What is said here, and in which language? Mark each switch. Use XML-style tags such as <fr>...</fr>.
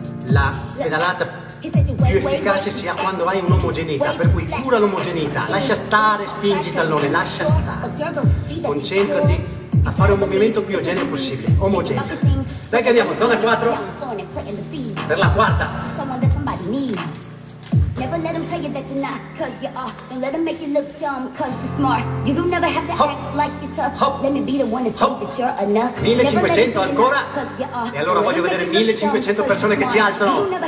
<it>La pedalata più efficace si ha quando hai un'omogeneità, per cui cura l'omogeneità, lascia stare, spingi tallone, lascia stare. Concentrati a fare un movimento più omogeneo possibile, omogeneo. Dai che andiamo, zona 4 per la quarta.</it> <en>Never let them tell you that you're not, cause you are. Don't let them make you look dumb, cause you're smart. You don't never have to hop, act like you're tough. Hop, let me be the one to say that you're enough.</en> <it>1500 ancora? E allora voglio vedere 1500 persone che si alzano.</it>